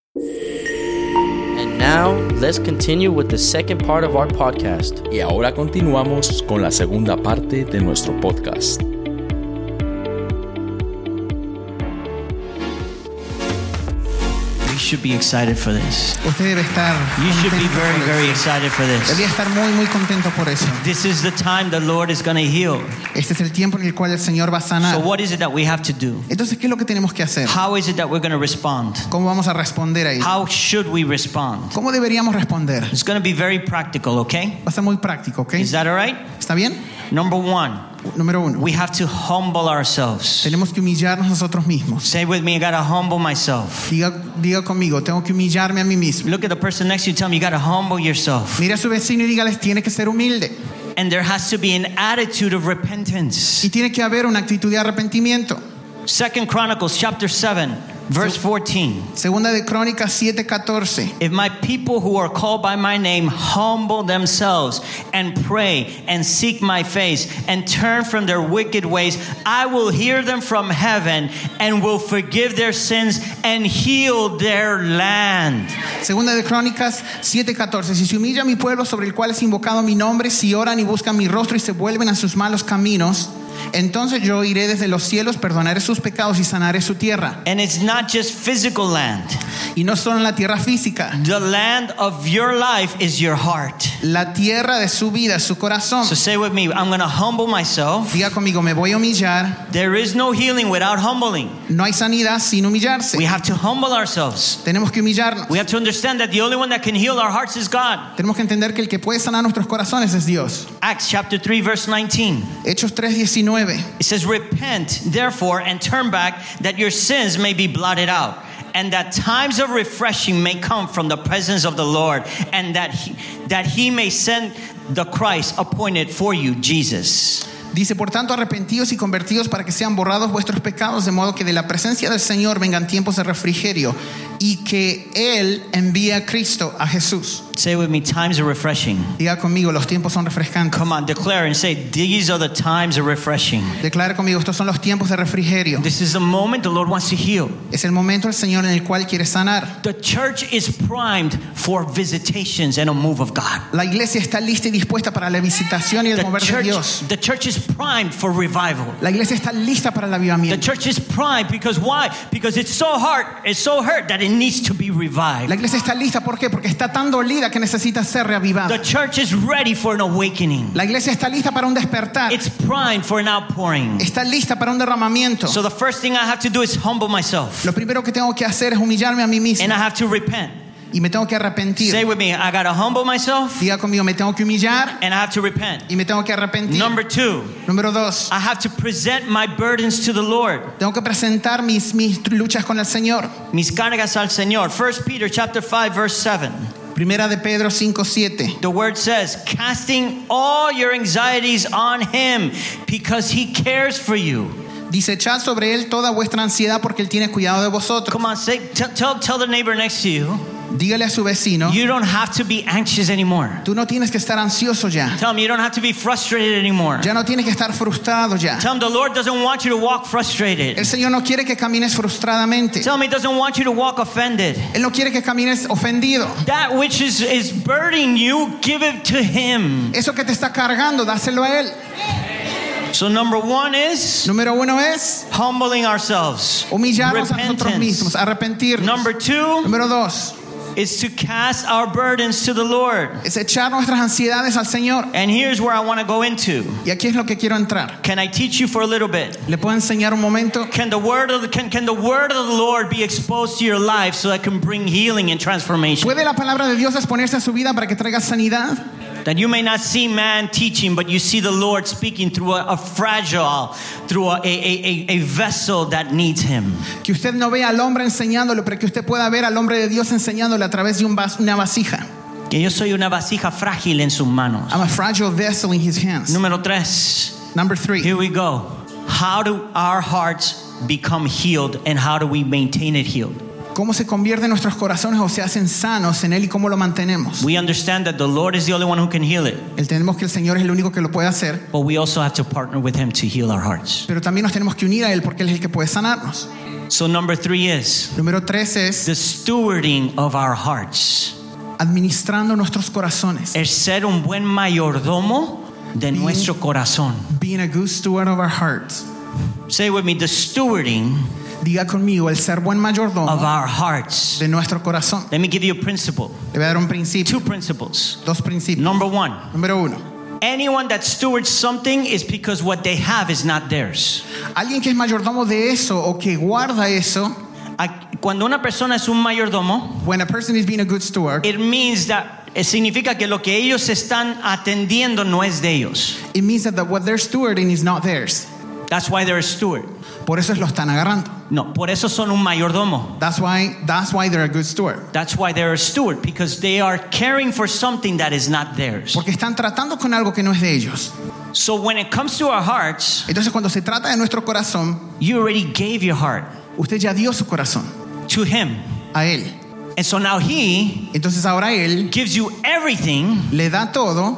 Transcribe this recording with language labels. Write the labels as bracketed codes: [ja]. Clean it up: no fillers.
[en] And now, let's continue with the second part of our podcast. [es] Y ahora continuamos con la segunda parte de nuestro podcast. [en] You should be excited for this. [es] Usted debe estar [en] you should be very, very excited for this. [es] Debería estar muy, muy contento por eso. [en] This is the time the Lord is going to heal. [es] Este es el tiempo en el cual el Señor va a sanar. [en] So what is it that we have to do? [es] Entonces, ¿qué es lo que tenemos que hacer? [en] How is it that we're going to respond? [es] ¿Cómo vamos a responder a eso? [en] How should we respond? [es] ¿Cómo deberíamos responder? [en] It's going to be very practical, okay? [es] Va a ser muy práctico, okay? [en] Is that all right? [es] ¿Está bien? [en] Number one. [es] Número uno. [en] We have to humble ourselves. [es] Tenemos que humillarnos nosotros mismos. [en] Say with me, I gotta humble myself. [es] Diga conmigo, tengo que humillarme a mí mismo. [en] Look at the person next to you, tell me, you gotta humble yourself. [es] Mira a su vecino y dígales, tiene que ser humilde. [en] And there has to be an attitude of repentance. [es] Y tiene que haber una actitud de arrepentimiento. [en] Second Chronicles chapter 7. Verse 14. [es] Segunda de Crónicas 7:14. [en] If my people who are called by my name humble themselves and pray and seek my face and turn from their wicked ways, I will hear them from heaven and will forgive their sins and heal their land. [es] Segunda de Crónicas 7:14. Si se humilla mi pueblo sobre el cual es invocado mi nombre, si oran y buscan mi rostro y se vuelven a sus malos caminos, entonces yo iré desde los cielos, perdonaré sus pecados y sanaré su tierra. [en] And it's not just physical land. [es] Y no solo en la tierra física. [en] The land of your life is your heart. [es] La tierra de su vida, su corazón. [en] So say with me, I'm going to humble myself. [es] Diga conmigo, me voy a humillar. [en] There is no healing without humbling. [es] No hay sanidad sin humillarse. [en] We have to humble ourselves. [es] Tenemos que humillarnos. [en] We have to understand that the only one that can heal our hearts is God. [es] Tenemos que entender que el que puede sanar nuestros corazones es Dios. [en] Acts chapter 3 verse 19. [es] Hechos 3:19. [en] It says, repent therefore and turn back that your sins may be blotted out, and that times of refreshing may come from the presence of the Lord, and that he may send the Christ appointed for you, Jesus. [es] Dice, por tanto, arrepentíos y convertíos para que sean borrados vuestros pecados, de modo que de la presencia del Señor vengan tiempos de refrigerio y que Él envíe a Cristo, a Jesús. [en] Say with me, times are refreshing. [es] Diga conmigo, los tiempos son refrescantes. [en] Come on, declare and say, these are the times of refreshing. [es] Declare conmigo, estos son los tiempos de refrigerio. [en] This is the moment the Lord wants to heal. [es] Es el momento el Señor en el cual quiere sanar. [en] The church is primed for visitations and a move of God. [es] La iglesia está lista y dispuesta para la visitación y el mover de Dios. [en] The church is primed for revival. [es] La iglesia está lista para el avivamiento. [en] The church is primed because why? Because it's so hurt that it needs to be revived. [es] La iglesia está lista, ¿por qué? Porque está tan dolida que necesita ser reavivada. [en] The church is ready for an awakening. [es] La iglesia está lista para un despertar. [en] It's primed for an outpouring. [es] Está lista para un derramamiento. [en] So the first thing I have to do is humble myself. [es] Lo primero que tengo que hacer es humillarme a mí mismo. [en] And I have to repent. [es] Y me tengo que arrepentir. [en] Say with me, I gotta humble myself. [es] Diga conmigo, me tengo que humillar. [en] And I have to repent. [es] Y me tengo que arrepentir. [en] Number two. [es] Número dos. [en] I have to present my burdens to the Lord. [es] Tengo que presentar mis luchas con el Señor. Mis cargas al Señor. [en] 1 Peter chapter 5 verse 7. [es] Primera de Pedro 5:7. [en] The word says, casting all your anxieties on him because he cares for you. [es] Dice, echad sobre él toda vuestra ansiedad porque él tiene cuidado de vosotros. [en] Come on, say, tell the neighbor next to you. [es] Dígale a su vecino. [en] You don't have to be anxious anymore. [es] Tú no tienes que estar ansioso ya. [en] Tell him you don't have to be frustrated anymore. [es] Ya no tienes que estar frustrado ya. [en] Tell him the Lord doesn't want you to walk frustrated. [es] El Señor no quiere que camines frustradamente. [en] Tell him he doesn't want you to walk offended. [es] Él no quiere que camines ofendido. [en] That which is burdening you, give it to him. [es] Eso que te está cargando, dáselo a él. [en] So number one is, [es] número uno es, [en] humbling ourselves. [es] Humillarnos a nosotros mismos, arrepentirnos. [en] Number two, [es] número dos, [en] is to cast our burdens to the Lord. [es] Es echar nuestras ansiedades al Señor. [en] And here's where I want to go into. [es] Y aquí es lo que quiero entrar. [en] Can I teach you for a little bit? [es] ¿Le puedo enseñar un momento? [en] Can the word of the Lord be exposed to your life so that can bring healing and transformation? [es] ¿Puede la palabra de Dios exponerse a su vida para que traiga sanidad? [en] That you may not see man teaching, but you see the Lord speaking through a fragile, through a vessel that needs him. [es] Que usted no vea al hombre enseñándolo, pero que usted pueda ver al hombre de Dios enseñándole a través de una vasija. Que yo soy una vasija frágil en sus manos. [en] I'm a fragile vessel in his hands. [es] Número tres. [en] Number three. Here we go. How do our hearts become healed and how do we maintain it healed? [es] ¿Cómo se convierten nuestros corazones o se hacen sanos en él y cómo lo mantenemos? [en] We understand that the Lord is the only one who can heal it. [es] Entendemos que el Señor es el único que lo puede hacer. [en] But we also have to partner with him to heal our hearts. [es] Pero también nos tenemos que unir a él porque él es el que puede sanarnos. [en] So number three is, [es] número tres es, [en] the stewarding of our hearts. [es] Administrando nuestros corazones. Es ser un buen mayordomo de being, nuestro corazón. [en] Being a good steward of our hearts. Say with me, the stewarding. [es] Diga conmigo, el ser buen mayordomo [en] of our hearts. [es] De nuestro corazón. [en] Let me give you a principle. [es] Le voy a dar un principio. [en] Two principles. [es] Dos principios. [en] Number one. [es] Número uno. [en] Anyone that stewards something is because what they have is not theirs. [es] Alguien que es mayordomo de eso o que guarda eso. Cuando una persona es un mayordomo, [en] when a person is being a good steward, it means that [es] significa que lo que ellos están atendiendo no es de ellos. [en] It means that what they're stewarding is not theirs. That's why they're a steward. [es] Por eso lo están agarrando. No, por eso son un mayordomo. [en] That's why they're a good steward. That's why they're a steward, because they are caring for something that is not theirs. [es] Porque están tratando con algo que no es de ellos. [en] So when it comes to our hearts, [es] entonces cuando se trata de nuestro corazón, [en] you already gave your heart. [es] Usted ya dio su corazón. [en] To him. [es] A él. [en] And so now he, [es] entonces ahora él, [en] gives you everything, [es] le da todo,